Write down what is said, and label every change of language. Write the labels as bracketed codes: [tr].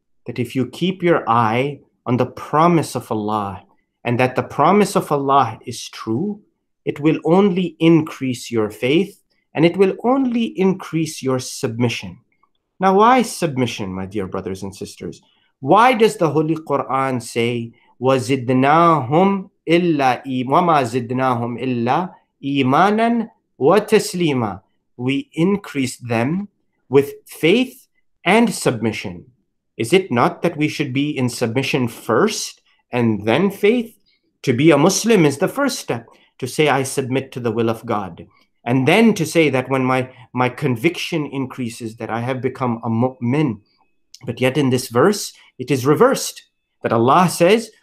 [en] that if you keep your eye on the promise of Allah and that the promise of Allah is true, it will only increase your faith and it will only increase your submission. Now, why submission, my dear brothers and sisters? Why does the Holy Quran say, [ar] وَزِدْنَاهُمْ إِلَّا وَمَا زِدْنَاهُمْ إِلَّا إِيمَانًا وَتَسْلِيمًا? [en] We increase them with faith and submission. Is it not that we should be in submission first and then faith? To be a Muslim is the first step, to say I submit to the will of God. And then to say that when my conviction increases that I have become a mu'min. But yet in this verse, it is reversed. That Allah says,